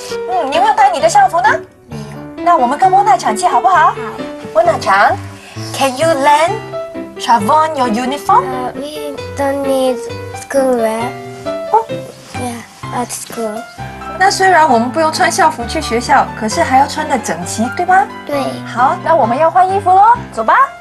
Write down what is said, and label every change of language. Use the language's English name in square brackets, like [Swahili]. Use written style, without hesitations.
[Chinese] 嗯，你有没有带你的校服呢？没有。那我们跟温娜抢借好不好？好。 [English] 温娜抢。Can you lend Travon your uniform? We don't need school wear. Yeah, at school. [Chinese] 那虽然我们不用穿校服去学校，可是还要穿得整齐，对吗？对。好，那我们要换衣服咯，走吧。